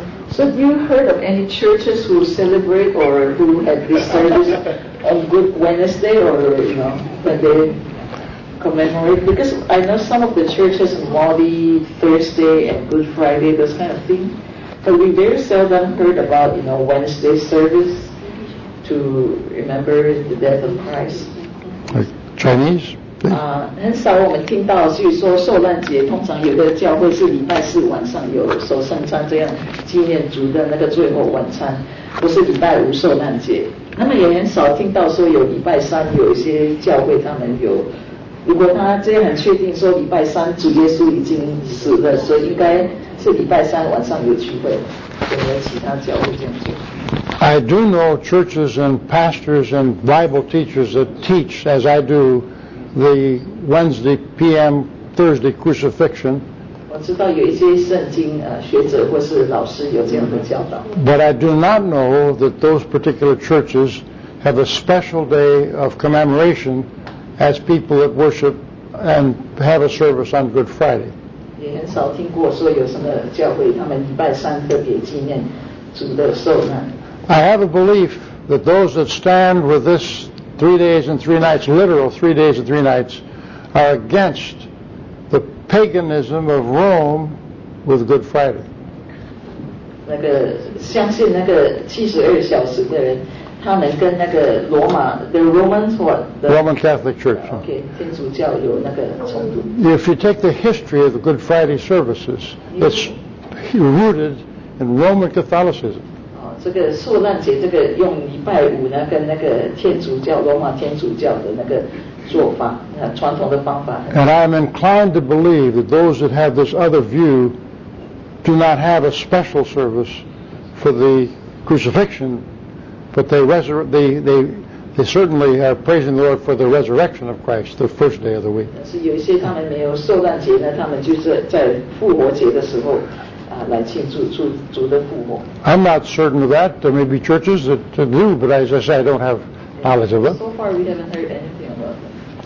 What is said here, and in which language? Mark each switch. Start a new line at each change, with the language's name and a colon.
English: So have you heard of any churches who celebrate or who had this service on Good Wednesday or, you know, that they commemorate? Because I know some of the churches, Maundy, Thursday, and Good Friday, those kind of thing. But we very seldom heard about, you know, Wednesday service to remember the death of Christ. Like Chinese?
Chinese: 很少我们听到，据说受难节通常有的教会是礼拜四晚上有守圣餐，这样纪念主的那个最后晚餐，不是礼拜五受难节。那么也很少听到说有礼拜三有一些教会他们有，如果他这样很确定说礼拜三主耶稣已经死了，所以应该是礼拜三晚上有聚会，有没有其他教会这样做？
English: I do know churches and pastors and Bible teachers that teach as I do the Wednesday p.m. Thursday crucifixion.
Chinese: 我知道有一些圣经学者或是老师有这样的教导。
English: But I do not know that those particular churches have a special day of commemoration as people that worship and have a service on Good Friday.
Chinese: 也很少听过说有什么教会他们礼拜三特别纪念主的受难。
English: I have a belief that those that stand with this 3 days and three nights, literal 3 days and three nights, are against the paganism of Rome with Good Friday.
Chinese: 那个相信那个七十二小时的人，他们跟那个罗马 ，
English: the Romans what? The Roman Catholic Church.
Chinese: Okay, 天主教有那个冲突。
English: If you take the history of the Good Friday services, it's rooted in Roman Catholicism.
Chinese: 这个受难节，这个用礼拜五呢，跟那个天主教罗马天主教的那个做法，传统的方法。
English: And I am inclined to believe that those that have this other view do not have a special service for the crucifixion, but they certainly are praising the Lord for the resurrection of Christ, the first day of the week.
Chinese: 但是有一些他们没有受难节呢，他们就是在复活节的时候。
English: I'm not certain of that. There may be churches that do, but as I say, I don't have knowledge of it. So far, we haven't heard anything about that.